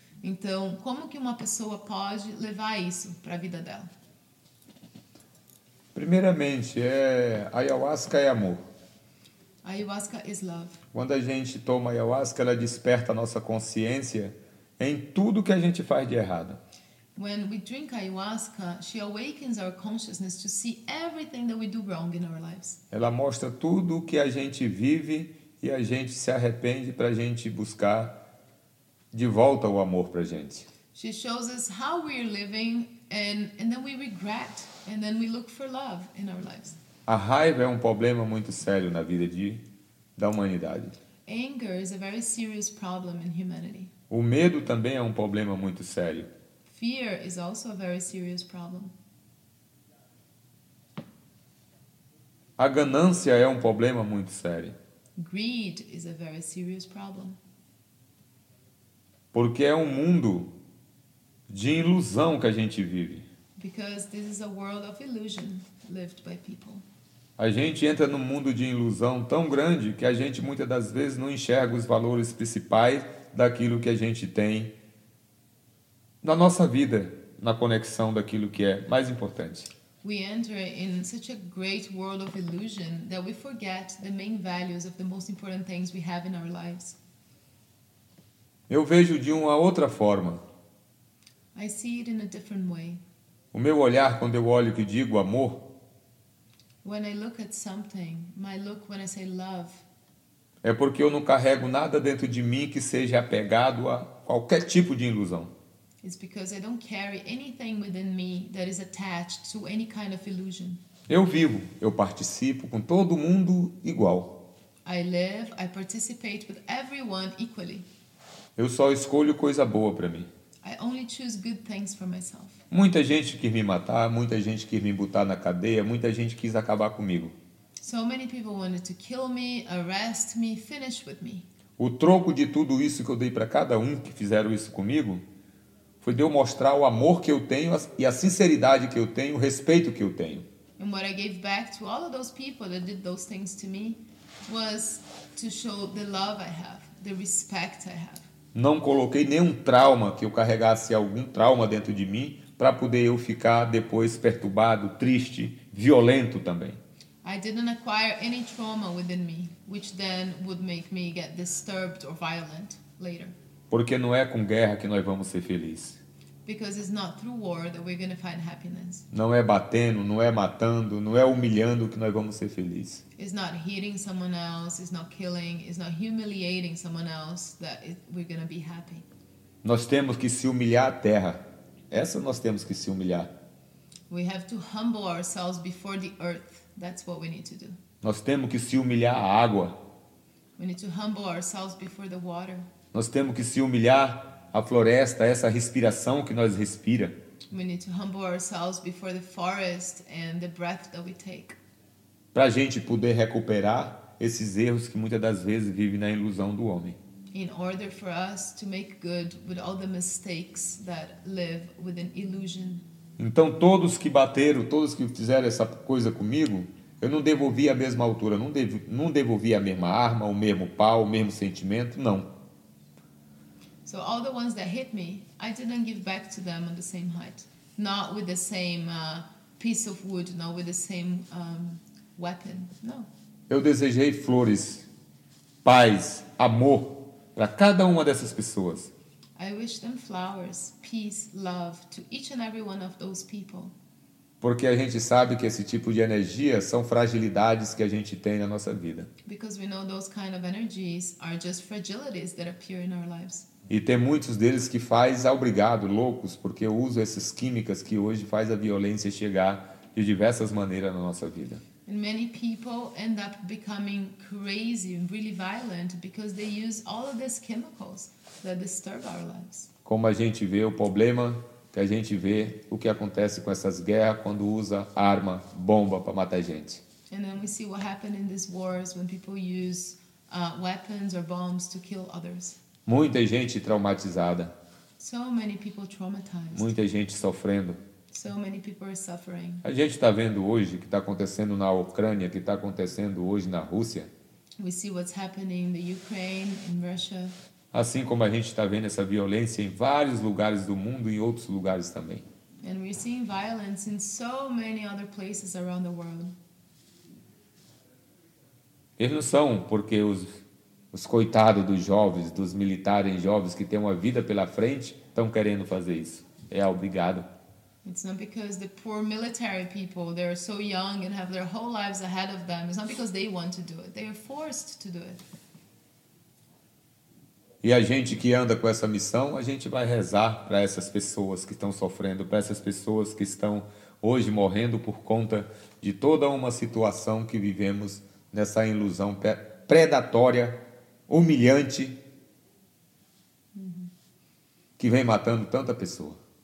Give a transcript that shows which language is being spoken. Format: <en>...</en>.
<pt>Então, como que uma pessoa pode levar isso para a vida dela? Primeiramente, ayahuasca é amor.</pt> <en>Ayahuasca is love.</en> <pt>Quando a gente toma ayahuasca, ela desperta a nossa consciência em tudo que a gente faz de errado.</pt> <en>When we drink ayahuasca, she awakens our consciousness to see everything that we do wrong in our lives.</en> <pt>Ela mostra tudo o que a gente vive e a gente se arrepende para a gente buscar de volta o amor para a gente.</pt> <en>She shows us how we're living and then we regret and then we look for love in our lives.</en> <pt>A raiva é um problema muito sério na vida da humanidade.</pt> <en>Anger is a very serious problem in humanity.</en> <pt>O medo também é um problema muito sério.</pt> <en>Fear is also a very serious problem.</en> <pt>A ganância é um problema muito sério.</pt> <en>Greed is a very serious problem.</en> <pt>Porque é um mundo de ilusão que a gente vive.</pt> <en>Because this is a world of illusion lived by people.</en> <pt>A gente entra num mundo de ilusão tão grande que a gente muitas das vezes não enxerga os valores principais daquilo que a gente tem na nossa vida, na conexão daquilo que é mais importante.</pt> <en>We enter in such a great world of illusion that we forget the main values of the most important things we have in our lives.</en> <pt>Eu vejo de uma outra forma.</pt> <en>I see it in a different way.</en> <pt>O meu olhar, quando eu olho que digo amor,</pt> <en>when I look at something, my look when I say love,</en> <pt>é porque eu não carrego nada dentro de mim que seja apegado a qualquer tipo de ilusão.</pt> <en>It's because I don't carry anything within me that is attached to any kind of illusion.</en> <pt>Eu vivo, eu participo com todo mundo igual.</pt> <en>I live, I participate with everyone equally.</en> <pt>Eu só escolho coisa boa para mim.</pt> <en>I only choose good things for myself.</en> <pt>Muita gente quis me matar, muita gente quis me botar na cadeia, muita gente quis acabar comigo.</pt> <en>So many people wanted to kill me, arrest me, finish with me.</en> <pt>O troco de tudo isso que eu dei para cada um que fizeram isso comigo foi de eu mostrar o amor que eu tenho e a sinceridade que eu tenho, o respeito que eu tenho.</pt> <en>And what I gave back to all of those people that did those things to me was to show the love I have, the respect I have.</en> <pt>Não coloquei nenhum trauma, que eu carregasse algum trauma dentro de mim, para poder eu ficar depois perturbado, triste, violento também.</pt> <en>I didn't acquire any trauma within me, which then would make me get disturbed or violent later.</en> <pt>Porque não é com guerra que nós vamos ser felizes.</pt> <en>Because it's not through war that we're going to find happiness.</en> <pt>Não é batendo, não é matando, não é humilhando que nós vamos ser felizes.</pt> <en>It's not hitting someone else, it's not killing, it's not humiliating someone else that we're going to be happy.</en> <pt>Nós temos que se humilhar à terra. Essa nós temos que se humilhar.</pt> <en>We have to humble ourselves before the earth. That's what we need to do.</en> <pt>Nós temos que se humilhar à água.</pt> <en>We need to humble ourselves before the water.</en> <pt>Nós temos que se humilhar à floresta, a essa respiração que nós respiramos.</pt> <en>We need to humble ourselves before the forest and the breath that we take.</en> <pt>Para a gente poder recuperar esses erros que muitas das vezes vivem na ilusão do homem.</pt> <en>In order for us to make good with all the mistakes that live with an illusion.</en> <pt>Então todos que bateram, todos que fizeram essa coisa comigo, eu não devolvi a mesma altura, não devolvi a mesma arma, o mesmo pau, o mesmo sentimento, não.</pt> <en>So all the ones that hit me, I didn't give back to them on the same height. Not with the same piece of wood, not with the same weapon, no.</en> <pt>Eu desejei flores, paz, amor para cada uma dessas pessoas.</pt> <en>I wish them flowers, peace, love to each and every one of those people.</en> <pt>Porque a gente sabe que esse tipo de energia são fragilidades que a gente tem na nossa vida.</pt> <en>Because we know those kind of energies are just fragilities that appear in our lives.</en> <pt>E tem muitos deles que faz obrigado, loucos, porque eu uso essas químicas que hoje faz a violência chegar de diversas maneiras na nossa vida.</pt> <en>And many people end up becoming crazy and really violent because they use all of these chemicals that disturb our lives.</en> <pt>Como a gente vê o problema que a gente vê o que acontece com essas guerras quando usa arma, bomba para matar gente.</pt> <en>And then we see what happened in these wars when people use weapons or bombs to kill others.</en> <pt>Muita gente traumatizada.</pt> <en>So many people traumatized.</en> <pt>Muita gente sofrendo.</pt> <en>So many people are suffering.</en> <pt>A gente está vendo hoje o que está acontecendo na Ucrânia, o que está acontecendo hoje na Rússia.</pt> <en>We see what's happening in the Ukraine, in Russia.</en> <pt>Assim como a gente está vendo essa violência em vários lugares do mundo e em outros lugares também.</pt> <en>And we're seeing violence in so many other places around the world.</en> <pt>Eles não são porque os coitados dos jovens, dos militares jovens que têm uma vida pela frente estão querendo fazer isso. É obrigado.</pt> <en>It's not because the poor military people, they're so young and have their whole lives ahead of them. It's not because they want to do it. They are forced to do it.</en> <pt>E a gente que anda com essa missão, a gente vai rezar para essas pessoas que estão sofrendo, para essas pessoas que estão hoje morrendo por conta de toda uma situação que vivemos nessa ilusão predatória, humilhante, que vem matando tanta pessoa.</pt>